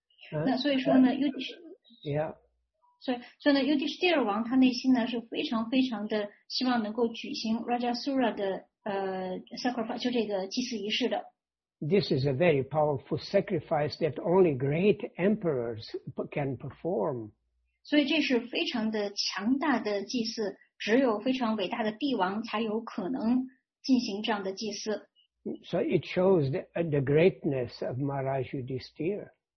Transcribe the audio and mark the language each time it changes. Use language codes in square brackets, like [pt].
[zh] 那所以说呢 所以呢 Yudhisthira 王他内心呢是非常非常的希望能够举行 Rajasuya 的sacrifice, 就这个祭祀仪式的。 [en] This is a very powerful sacrifice that only great emperors can perform. [zh] 所以这是非常的强大的祭祀，只有非常伟大的帝王才有可能进行这样的祭祀。 [en] So it shows the greatness of Maharaj Yudhisthira.